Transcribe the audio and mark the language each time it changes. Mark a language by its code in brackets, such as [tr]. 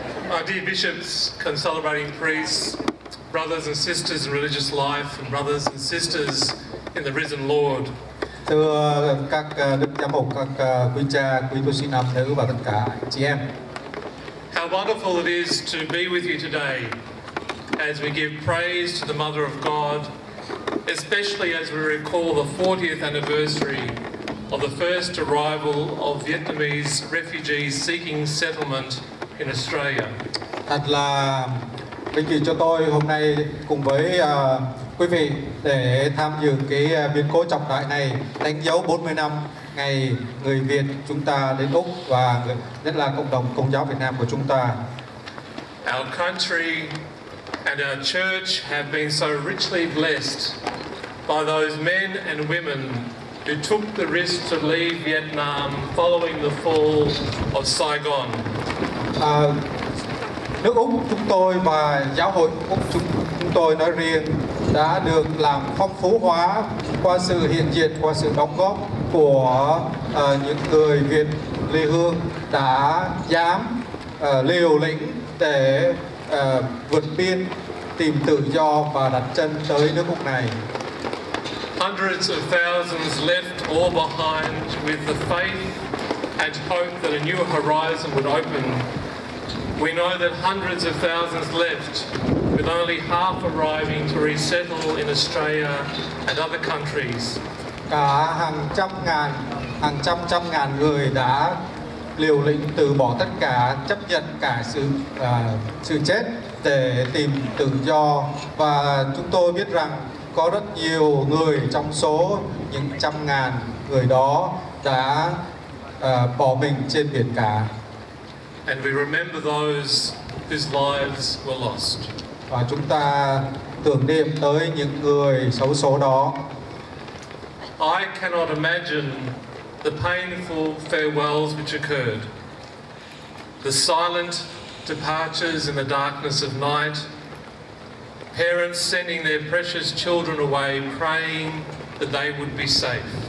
[en] Our dear bishops, concelebrating priests, brothers and sisters in religious life, and brothers and sisters in the risen Lord. [vi] Thưa các đức giám mục, các quý cha, quý tu sĩ nam nữ và tất cả chị em. [en] How wonderful it is to be with you today as we give praise to the Mother of God, especially as we recall the 40th anniversary of the first arrival of Vietnamese refugees seeking settlement in Australia. [vi] Thật là vinh dự cho tôi hôm nay cùng với quý vị để tham dự cái biến cố trọng đại này, đánh dấu 40 năm ngày người Việt chúng ta đến Úc, và nhất là cộng đồng Công giáo Việt Nam của chúng ta. [en] Our country and our church have been so richly blessed by those men and women who took the risk to leave Vietnam following the fall of Saigon. [vi] Nước Úc chúng tôi và giáo hội Úc chúng tôi nói riêng đã được làm phong phú hóa qua sự hiện diện, qua sự đóng góp của những người Việt ly hương đã dám liều lĩnh để vượt biên, tìm tự do và đặt chân tới nước Úc này. [en] Hundreds of thousands left all behind with the faith and hope that a new horizon would open. We know that hundreds of thousands left with only half arriving to resettle in Australia and other countries. [vi] Cả hàng trăm ngàn người đã liều lĩnh từ bỏ tất cả, chấp nhận cả sự chết để tìm tự do. Và chúng tôi biết rằng có rất nhiều người trong số những trăm ngàn người đó đã bỏ mình trên biển cả. [en] And we remember those whose lives were lost. [vi] Và chúng ta tưởng niệm tới những người xấu số đó. [en] I cannot imagine the painful farewells which occurred, the silent departures in the darkness of night, parents sending their precious children away praying that they would be safe.